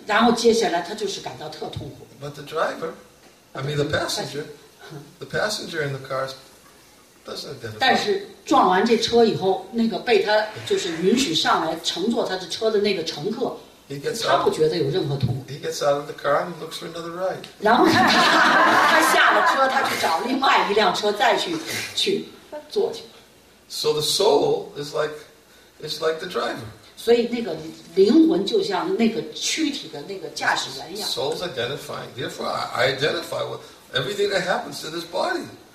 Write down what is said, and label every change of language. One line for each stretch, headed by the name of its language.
Chinese: 然后接下来他就是感到特痛苦。
English: But the driver, I mean the passenger in the car doesn't identify.
Chinese: 但是撞完这车以后,那个被他就是允许上来乘坐他的车的那个乘客,
English: He gets out of the car and looks for another ride.
Chinese: 然后他下了车，他去找另外一辆车再去坐去。
English: So the soul is like, it's like the driver.
Chinese: 所以那个灵魂就像那个躯体的那个驾驶员一样。
English: Soul's identifying. Therefore, I identify with everything that happens to this body.